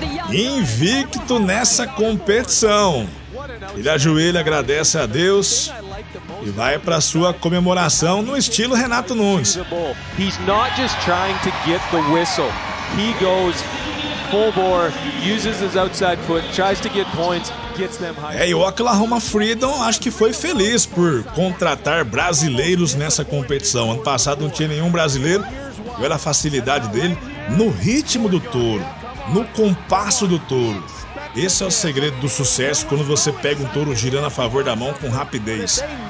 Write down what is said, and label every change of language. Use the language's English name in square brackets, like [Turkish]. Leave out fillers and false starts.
[Portuguese] Invicto nessa competição. Ele ajoelha, agradece a Deus e vai para sua comemoração no estilo Renato Nunes. [English] He's not just trying to get the whistle. He goes full bore, uses his outside foot, tries to get points. [Portuguese] É, e o Oklahoma Freedom acho que foi feliz por contratar brasileiros nessa competição. Ano passado não tinha nenhum brasileiro. Olha a facilidade dele no ritmo do touro, no compasso do touro. Esse é o segredo do sucesso quando você pega um touro girando a favor da mão com rapidez.